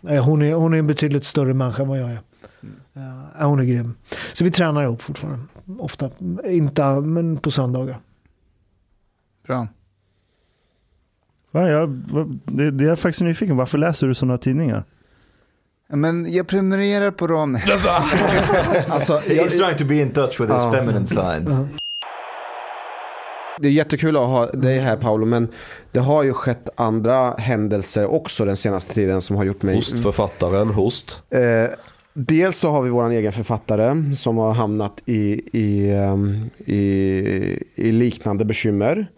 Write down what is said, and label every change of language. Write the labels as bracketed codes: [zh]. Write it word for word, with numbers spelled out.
[sv] Hon är, hon är en betydligt större människa än vad jag är. Ja, hon är grym. Så vi tränar ihop fortfarande. Ofta. Inte, men på söndagar. Bra. Ja, jag, det, det är jag faktiskt nyfiken. Varför läser du sådana tidningar? Men jag prenumererar på dem. [en] Alltså, he's trying to be in touch with his uh, feminine side. Uh. [sv] Det är jättekul att ha dig här, Paolo, men det har ju skett andra händelser också den senaste tiden som har gjort mig... Hostförfattaren, host. Eh, dels så har vi vår egen författare som har hamnat i, i, i, i liknande bekymmer.